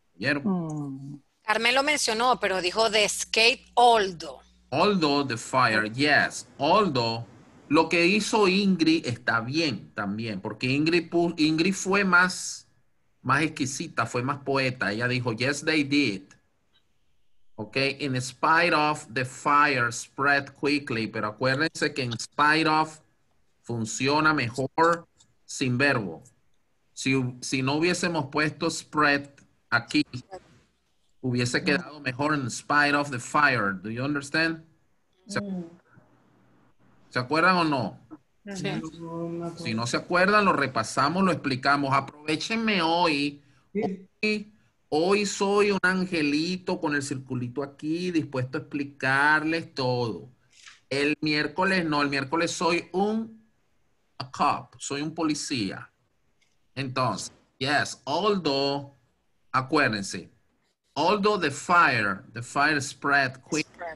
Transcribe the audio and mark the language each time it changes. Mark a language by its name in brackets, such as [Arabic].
[Spanish] ¿Vieron? Carmen lo mencionó, pero dijo de escape although. [English] Although the fire, yes. [Spanish] Although, lo que hizo Ingrid está bien también, porque Ingrid fue más exquisita, fue más poeta. [English] Ella dijo, yes, they did. Okay, in spite of the fire spread quickly. [Spanish] Pero acuérdense que in spite of funciona mejor sin verbo. Si no hubiésemos puesto spread aquí, hubiese quedado mejor [English] in spite of the fire. Do you understand? [Spanish] ¿Se acuerdan o no? Sí. Si no se acuerdan, lo repasamos, lo explicamos. Aprovechenme hoy. Sí. Hoy, Hoy soy un angelito con el circulito aquí, dispuesto a explicarles todo. El miércoles, no, el miércoles soy un a cop, soy un policía. [English] Entonces, yes, although, acuérdense, although the fire spread quickly.